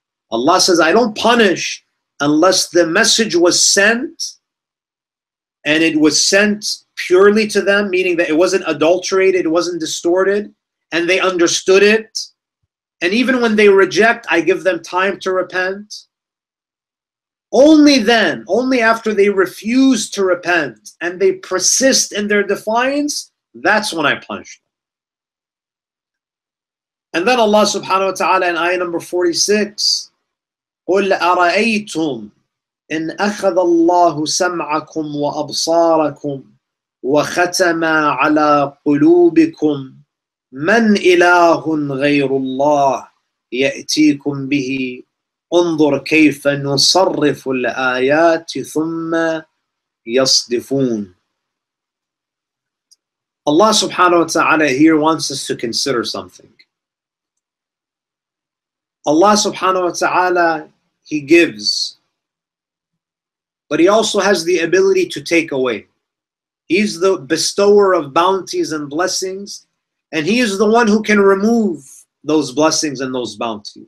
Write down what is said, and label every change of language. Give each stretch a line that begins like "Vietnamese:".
English: Allah says, I don't punish unless the message was sent, and it was sent purely to them, meaning that it wasn't adulterated, it wasn't distorted, and they understood it. And even when they reject, I give them time to repent. Only then, only after they refuse to repent and they persist in their defiance, that's when I punish them. And then Allah subhanahu wa ta'ala in ayah number 46,
Arabic: قُلْ أَرَأَيْتُمْ إِنْ أَخَذَ اللَّهُ سَمْعَكُمْ وَأَبْصَارَكُمْ وَخَتَمَا عَلَىٰ قُلُوبِكُمْ مَنْ إِلَهٌ غَيْرُ اللَّهِ يَأْتِيكُمْ بِهِ انظر كيف نصرف الآيات ثم يصدفون
English: Allah subhanahu wa ta'ala here wants us to consider something. Allah subhanahu wa ta'ala, He gives, but He also has the ability to take away. He's the bestower of bounties and blessings, and He is the one who can remove those blessings and those bounties.